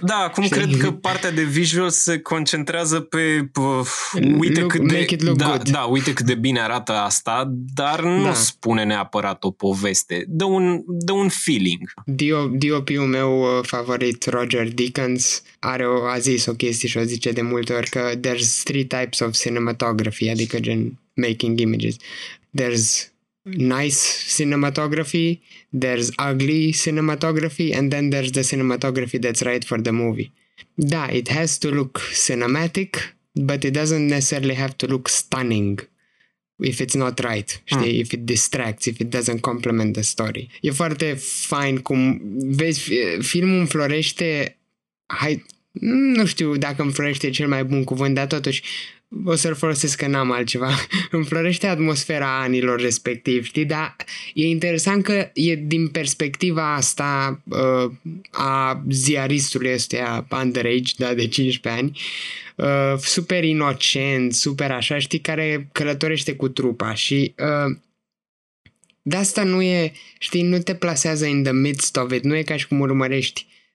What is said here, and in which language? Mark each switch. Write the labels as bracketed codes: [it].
[ro] Da, acum cred că partea de visual se concentrează pe uite cât de uite cât de bine arată asta, dar nu spune neapărat o poveste. Dă un feeling. DOP-ul meu favorit, Roger Deakins, a zis o chestie și o zice de multe ori că [en] there's three types of cinematography, [ro] adică gen [en] making images. There's nice cinematography, there's ugly cinematography, and then there's the cinematography that's right for the movie. Da, it has to look cinematic, but it doesn't necessarily have to look stunning if it's not right, știi? If it distracts, if it doesn't complement the story. [ro] E foarte fain cum vezi, filmul înflorește, nu știu dacă înflorește cel mai bun cuvânt, dar totuși o să-l folosesc că n-am altceva. Înflorește atmosfera anilor respectiv, știi? Dar e interesant că e din perspectiva asta a ziaristului ăsta underage, da, de 15 ani, super inocent, super așa, știi, care călătorește cu trupa și de asta nu e, știi, nu te plasează [en] in the midst of it, [ro] nu e ca și cum urmărești